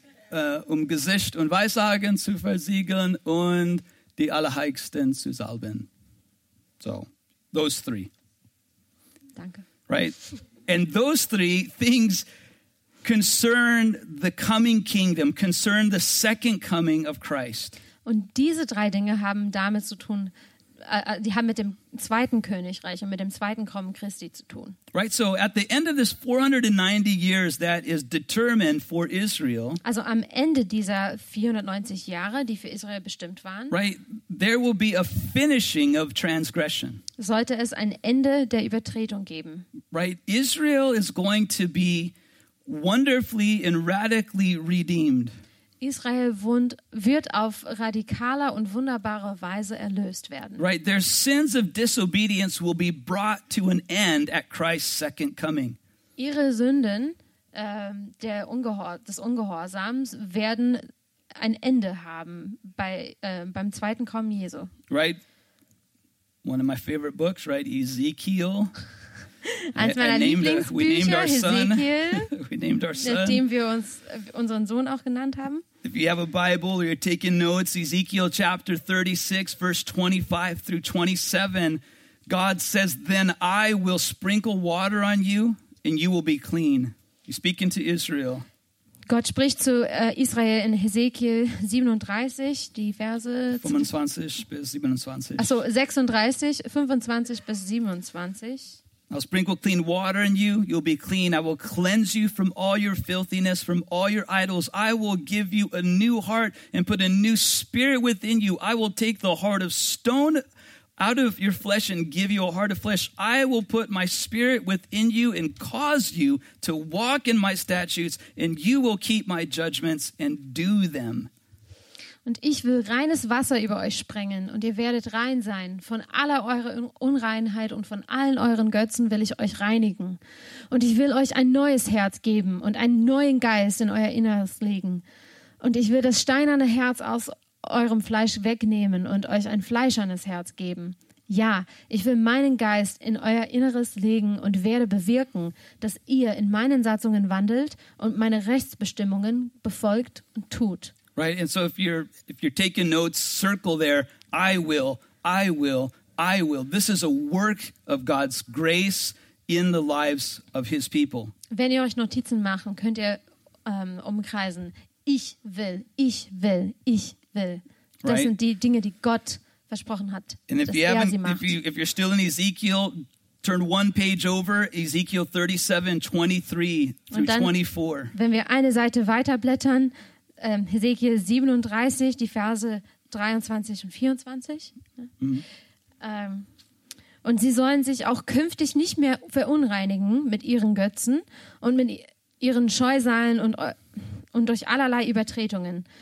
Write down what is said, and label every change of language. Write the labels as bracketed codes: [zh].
[de] Gesicht und Weissagen zu versiegeln und die Allerheiligsten zu salben. [en] So, those three. [de] Danke. [en] Right. And those three things concern the coming kingdom, concern the second coming of Christ. [de] Und diese drei Dinge haben damit zu tun, die haben mit dem zweiten Königreich und mit dem zweiten Kommen Christi zu tun. [en] Right, so at the end of this 490 years that is determined for Israel. [de] Also am Ende dieser 490 Jahre, die für Israel bestimmt waren. [en] Right, there will be a finishing of transgression. [de] Sollte es ein Ende der Übertretung geben. [en] Right, Israel is going to be wonderfully and radically redeemed. [de] Israel wird auf radikaler und wunderbarer Weise erlöst werden. [en] Right, their sins of disobedience will be brought to an end at Christ's second coming. [de] Ihre Sünden, des Ungehorsams, werden ein Ende haben beim zweiten Kommen Jesu. [en] Right, one of my favorite books, right, Ezekiel. [de] Eins meiner Lieblingsbücher, Ezekiel. [en] We named our son. We named our son. [de] Nachdem wir unseren Sohn auch genannt haben. [en] If you have a Bible or you're taking notes, Ezekiel chapter 36, verse 25 through 27, God says, then I will sprinkle water on you and you will be clean. He's speaking to Israel. [de] Gott spricht zu Israel in Ezekiel 37, die Verse 25 bis 27. Achso, 36, 25 bis 27. [en] I'll sprinkle clean water on you. You'll be clean. I will cleanse you from all your filthiness, from all your idols. I will give you a new heart and put a new spirit within you. I will take the heart of stone out of your flesh and give you a heart of flesh. I will put my spirit within you and cause you to walk in my statutes, and you will keep my judgments and do them. [de] Und ich will reines Wasser über euch sprengen, und ihr werdet rein sein. Von aller eurer Unreinheit und von allen euren Götzen will ich euch reinigen. Und ich will euch ein neues Herz geben und einen neuen Geist in euer Inneres legen. Und ich will das steinerne Herz aus eurem Fleisch wegnehmen und euch ein fleischernes Herz geben. Ja, ich will meinen Geist in euer Inneres legen und werde bewirken, dass ihr in meinen Satzungen wandelt und meine Rechtsbestimmungen befolgt und tut. [en] Right, and so if you're taking notes, circle there, I will, I will, I will. This is a work of God's grace in the lives of his people. [de] Wenn ihr euch Notizen machen, könnt ihr umkreisen. Ich will, ich will, ich will. Das right? sind die Dinge, die Gott versprochen hat, [en] and [de] dass er sie macht. [en] If you're still in Ezekiel, turn one page over, Ezekiel 37:23-24. [de] Wenn wir eine Seite weiterblättern, Hesekiel 37, die Verse 23 und 24. Mhm. Und sie sollen sich auch künftig nicht mehr verunreinigen mit ihren Götzen und mit ihren Scheusalen und durch allerlei Übertretungen.